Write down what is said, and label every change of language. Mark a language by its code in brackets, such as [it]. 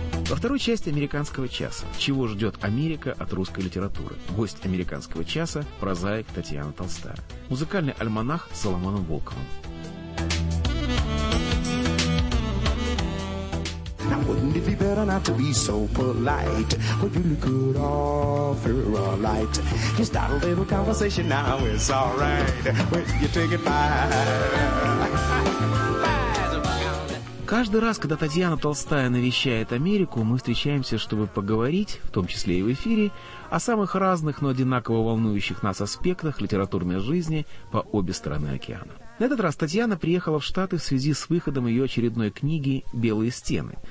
[ru] Во второй части «Американского часа». Чего ждет Америка от русской литературы? Гость «Американского часа» – прозаик Татьяна Толстая. Музыкальный альманах с Соломоном Волковым. [en] Wouldn't it be better not to be so polite? But you could offer a light. Just start a little conversation now, it's all right. When you take it by. [ru] Каждый раз, когда Татьяна Толстая навещает Америку, мы встречаемся, чтобы поговорить, в том числе и в эфире, о самых разных, но одинаково волнующих нас аспектах литературной жизни по обе стороны океана. На этот раз Татьяна приехала в Штаты в связи с выходом ее очередной книги «Белые стены».